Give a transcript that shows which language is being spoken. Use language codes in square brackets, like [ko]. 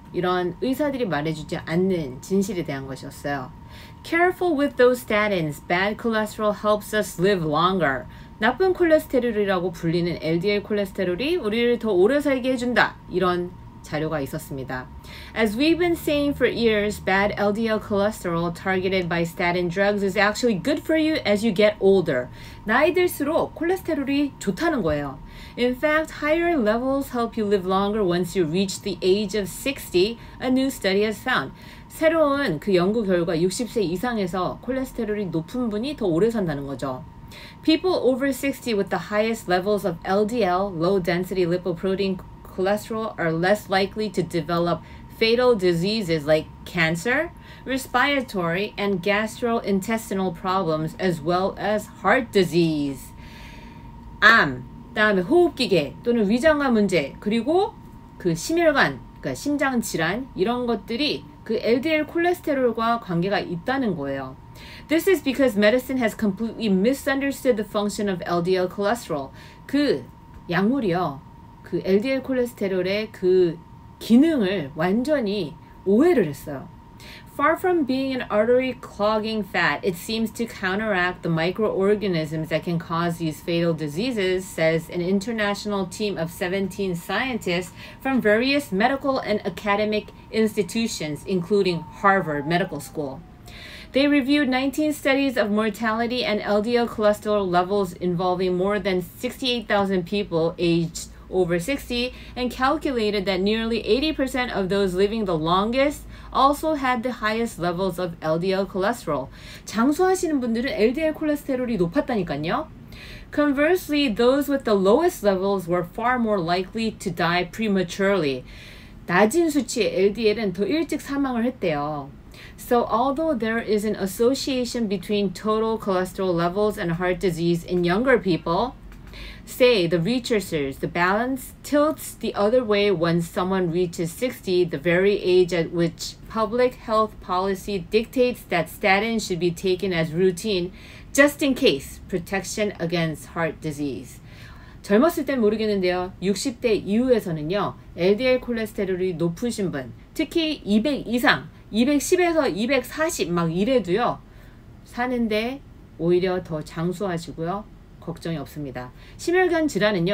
[ko] 이런 의사들이 말해주지 않는 진실에 대한 것이었어요. [en] Careful with those statins. Bad cholesterol helps us live longer. [ko] 나쁜 콜레스테롤이라고 불리는 LDL 콜레스테롤이 우리를 더 오래 살게 해준다. 이런 자료가 있었습니다. [en] As we've been saying for years, bad LDL cholesterol targeted by statin drugs is actually good for you as you get older. [ko] 나이 들수록 콜레스테롤이 좋다는 거예요. [en] In fact, higher levels help you live longer once you reach the age of 60, a new study has found. [ko] 새로운 그 연구 결과 60세 이상에서 콜레스테롤이 높은 분이 더 오래 산다는 거죠. [en] People over 60 with the highest levels of LDL, low density lipoprotein cholesterol are less likely to develop fatal diseases like cancer, respiratory, and gastrointestinal problems, as well as heart disease. [ko] 암, 다음에 호흡기계 또는 위장관 문제, 그리고 그 심혈관, 그러니까 심장 질환 이런 것들이 그 LDL 콜레스테롤과 관계가 있다는 거예요. [en] This is because medicine has completely misunderstood the function of LDL cholesterol. [ko] 그 약물이요. 그 LDL 콜레스테롤의 그 기능을 완전히 오해를 했어요. [en] Far from being an artery clogging fat, it seems to counteract the microorganisms that can cause these fatal diseases, says an international team of 17 scientists from various medical and academic institutions, including Harvard Medical School. They reviewed 19 studies of mortality and LDL cholesterol levels involving more than 68,000 people aged over 60 and calculated that nearly 80% of those living the longest also had the highest levels of LDL cholesterol. [ko] 장수하시는 분들은 LDL 콜레스테롤이 높았다니까요. [en] Conversely, those with the lowest levels were far more likely to die prematurely. [ko] 낮은 수치의 LDL은 더 일찍 사망을 했대요. [en] So although there is an association between total cholesterol levels and heart disease in younger people, say the researchers, the balance tilts the other way when someone reaches 60, the very age at which public health policy dictates that statin should be taken as routine, just in case, protection against heart disease. [ko] 젊었을 땐 모르겠는데요. 60대 이후에서는요, LDL 콜레스테롤이 높으신 분, 특히 200 이상, 210에서 240 막 이래도요. 사는데 오히려 더 장수하시고요. 걱정이 없습니다. 심혈관 질환은요.